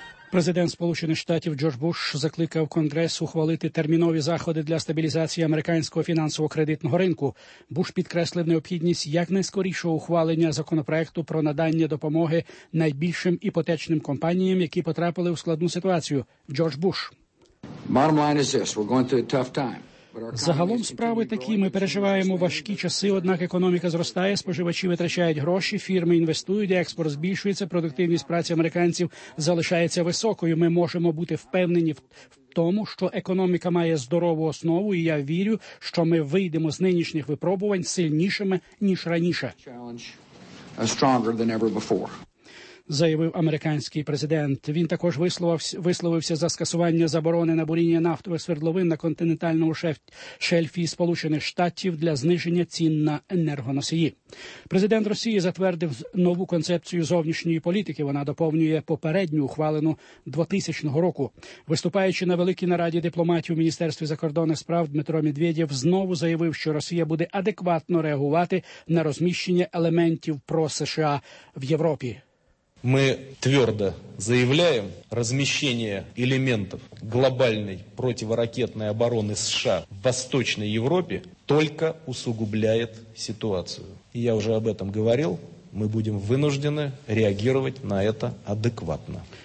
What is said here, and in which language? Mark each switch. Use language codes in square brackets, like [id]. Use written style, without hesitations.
[uk] Президент Сполучених Штатів Джордж Буш закликав Конгрес ухвалити термінові заходи для стабілізації американського фінансово-кредитного ринку. Буш підкреслив необхідність якнайскорішого ухвалення законопроекту про надання допомоги найбільшим іпотечним компаніям, які потрапили у складну ситуацію. Джордж Буш. [en] Bottom line is this. We're going through a tough time. [uk] Загалом справи такі, ми переживаємо важкі часи, однак економіка зростає, споживачі витрачають гроші, фірми інвестують, експорт збільшується, продуктивність праці американців залишається високою. Ми можемо бути впевнені в тому, що економіка має здорову основу, і я вірю, що ми вийдемо з нинішніх випробувань сильнішими, ніж раніше. Заявив американський президент. Він також висловився за скасування заборони на буріння нафтових свердловин на континентальному шельфі Сполучених Штатів для зниження цін на енергоносії. Президент Росії затвердив нову концепцію зовнішньої політики. Вона доповнює попередню, ухвалену 2000 року. Виступаючи на великій нараді дипломатів у Міністерстві закордонних справ, Дмитро Медведєв знову заявив, що Росія буде адекватно реагувати на розміщення елементів про США в Європі. [ru] Мы твердо заявляем, размещение элементов глобальной противоракетной обороны США в Восточной Европе только усугубляет ситуацию. Я уже об этом говорил, мы будем вынуждены реагировать на это адекватно.